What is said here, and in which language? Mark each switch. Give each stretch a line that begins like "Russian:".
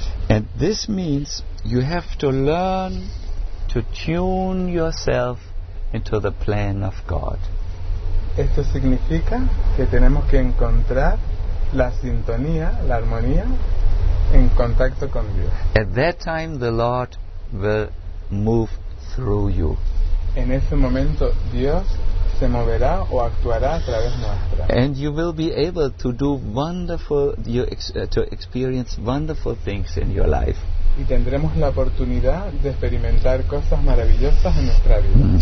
English: And this means you have to learn to tune yourself into the plan of God.
Spanish: Esto significa que tenemos que encontrar la sintonía, la armonía en contacto con Dios.
English: At that time the Lord will move through you.
Spanish: En ese momento Dios se moverá o actuará a través nuestra.
English: And you will be able to do wonderful, to experience wonderful things in your life.
Spanish: Y tendremos la oportunidad de experimentar cosas maravillosas en nuestra vida.